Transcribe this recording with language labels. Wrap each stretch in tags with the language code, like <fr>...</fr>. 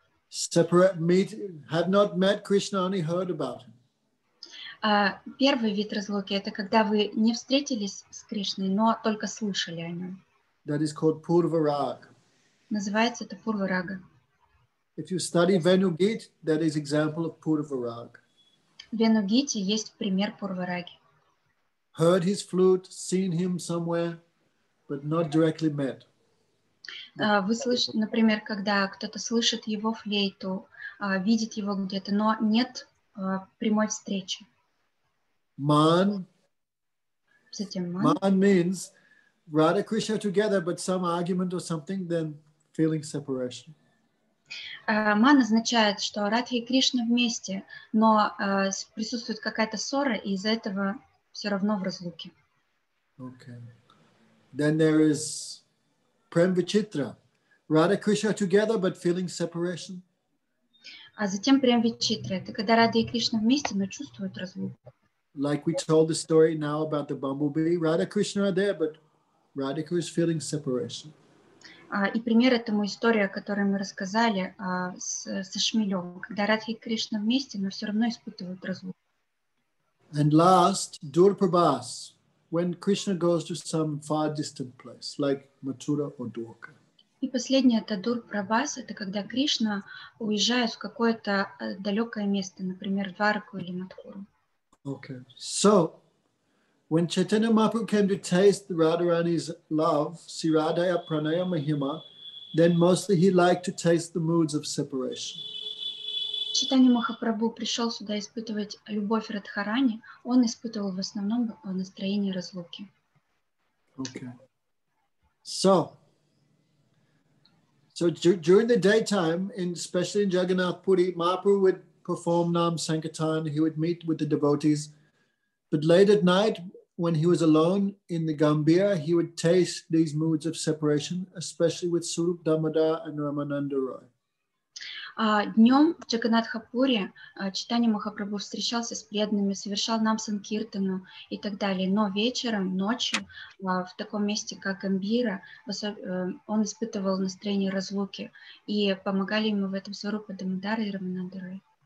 <en>Separate meet, had not met Krishna, only heard about him.</en> <ru>Первый вид разлуки — это когда вы не встретились с Кришной, но только слышали о нем.</ru> <en>That is called Purvarag.</en> <ru>Называется это Пурварага.</ru> <en>If you study Venugit, that is example of Purvarag.</en> <ru>В Венугите есть пример Пурвараги.</ru> <en>Heard his flute, seen him somewhere, but not directly met.</en> <ru>Вы слышите, например, когда кто-то слышит его флейту, видит его где-то, но нет прямой встречи.</ru> <en>Man.</en> <ru>Затем</ru> <en>man. Man means Radha Krishna together, but some argument or something, then feeling separation.</en> <ru>Man означает, что Радха и Кришна вместе, но присутствует какая-то ссора, и из-за этого все равно в разлуке.</ru> <en>Okay. Then there is Prem Vichitra. Radha Krishna together, but feeling separation.</en> <ru>А затем Прем Вичитра. Это когда Рада и Кришна вместе, но чувствуют разлуку.</ru> <en>Like we told the story now about the bumblebee. Radha Krishna are there, but Radhika is feeling separation.</en> <ru>И пример этому история, о которой мы рассказали со шмелем. Когда Радха и Кришна вместе, но все равно испытывают разлуку.</ru> <en>And last, Dur Prabhas. When Krishna goes to some far distant place, like Mathura or Dwarka.</en> <ru>И последнее, это Дур Прабас, это когда Кришна уезжает в какое-то далекое место, например, в Дварку или Матхуру.</ru> <en>Okay. So, when Chaitanya Mahaprabhu came to taste Radharani's love, Siradaya Pranaya Mahima, then mostly he liked to taste the moods of separation.</en> <ru>Чайтанья Махапрабху пришел сюда испытывать любовь Радхарани, он испытывал в основном настроение разлуки.</ru> <en>Okay. So, during the daytime, especially in Jagannath Puri, Mahaprabhu would perform Nam Sankirtan, he would meet with the devotees. But late at night, when he was alone in the Gambhir, he would taste these moods of separation, especially with Surup Damodar and Ramananda Roy.</en> <ru>Днем в Джаганатхапуре Чайтанья Махапрабху встречался с преданными, совершал нам санкиртану и так далее. Но вечером, ночью, в таком месте, как Гамбира, он испытывал настроение разлуки и помогали ему в этом Сварупа Дамодара и Рамананда Рой.</ru>